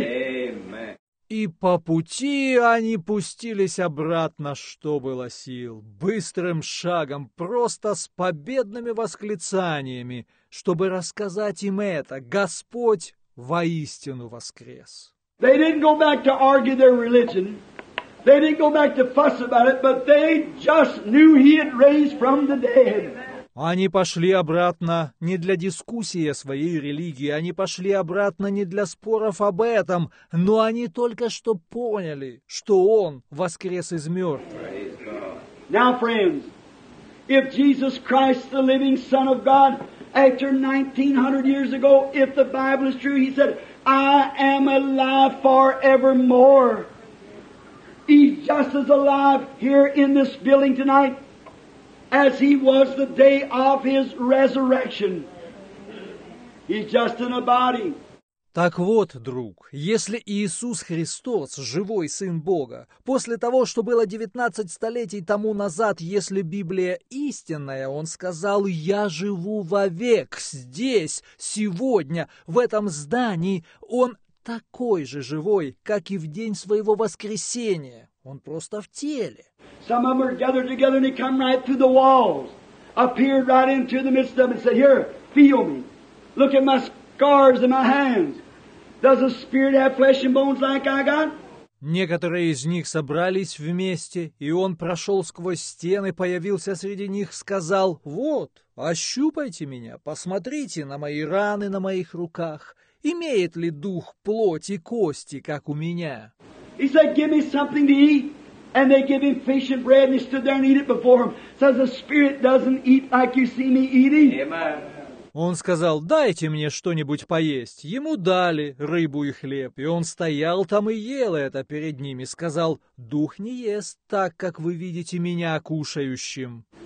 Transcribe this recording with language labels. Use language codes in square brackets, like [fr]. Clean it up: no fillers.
[en] Amen. [ru] И по пути они пустились обратно, что было сил, быстрым шагом, просто с победными восклицаниями, чтобы рассказать им это. Господь воистину воскрес. [en] They didn't go back to argue their religion. They didn't go back to fuss about it, but they just knew He had raised from the dead. [ru] Они пошли обратно не для дискуссии о своей религии, они пошли обратно не для споров об этом, но они только что поняли, что Он воскрес из мертвых. [en] Now, friends, if Jesus Christ, the living Son of God, after 1900 years ago, if the Bible is true, He said, I am alive forevermore. He's just as alive here in this building tonight. As He was the day of His resurrection. He's just in a body. [ru] Так вот, друг, если Иисус Христос, живой Сын Бога, после того, что было 19 столетий тому назад, если Библия истинная, Он сказал, «Я живу вовек, здесь, сегодня, в этом здании», Он такой же живой, как и в день Своего воскресения. Он просто в теле. [en] Some of them are gathered together and He come right through the walls, appeared right into the midst of them and said, here, feel me. Look at my scars and my hands. Does a spirit have flesh and bones like I got? [ru] Некоторые из них собрались вместе, и Он прошел сквозь стены, появился среди них, сказал, вот, ощупайте меня, посмотрите на мои раны на моих руках. Имеет ли дух плоть и кости, как у меня? [en] He said, give me something to eat. And they give him fish and bread, and he stood there and ate it before him. Says, the spirit doesn't eat like you see me eating. Amen. [ru] Он сказал, дайте мне что-нибудь поесть. Ему дали рыбу и хлеб, и он стоял там и ел это перед ними. Сказал, дух не ест так, как вы видите меня кушающим.